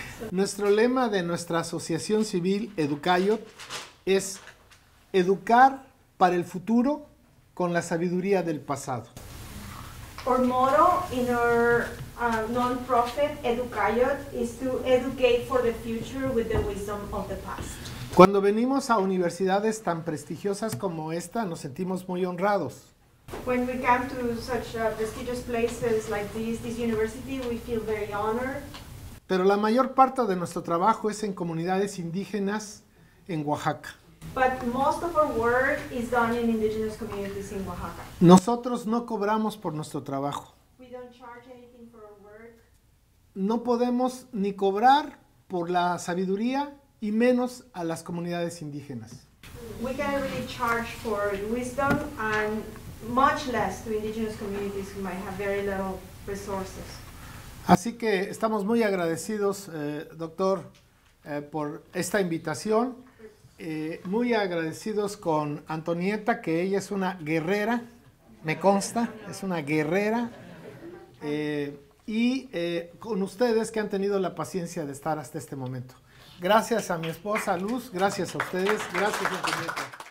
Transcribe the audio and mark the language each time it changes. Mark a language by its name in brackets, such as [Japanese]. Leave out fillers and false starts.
[Spanish] Nuestro lema de nuestra asociación civil Educayot es educar para el futuro con la sabiduría del pasado. [English] Our motto in our non-profit Educayot is to educate for the future with the wisdom of the past. [Spanish] Cuando venimos a universidades tan prestigiosas como esta, nos sentimos muy honrados. [English] When we come to such prestigious places like this university, we feel very honored. [Spanish] Pero la mayor parte de nuestro trabajo es en comunidades indígenas en Oaxaca. [English] But most of our work is done in indigenous communities in Oaxaca. [Spanish] Nosotros no cobramos por nuestro trabajo. [English] We don't charge anything for our work. [Spanish] No podemos ni cobrar por la sabiduría, y menos a las comunidades indígenas. [English] We can't really charge for wisdom, and much less to indigenous communities who might have very little resources. [Spanish] Así que estamos muy agradecidos, doctor, por esta invitación. Muy agradecidos con Antonieta, que ella es una guerrera, me consta, es una guerrera. Y con ustedes, que han tenido la paciencia de estar hasta este momento. Gracias a mi esposa Luz, gracias a ustedes, gracias Antonieta.